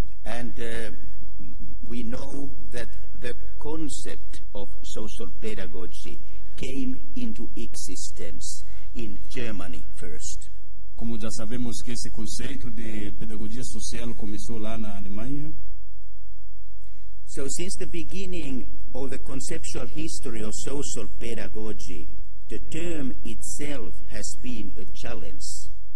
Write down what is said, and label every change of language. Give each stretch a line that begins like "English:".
English: And we know that the concept of social pedagogy came into existence in Germany first.
Portuguese: Como já sabemos que esse conceito de pedagogia social começou lá na Alemanha.
English: So since the beginning of the conceptual history of social pedagogy, the term itself has been a challenge.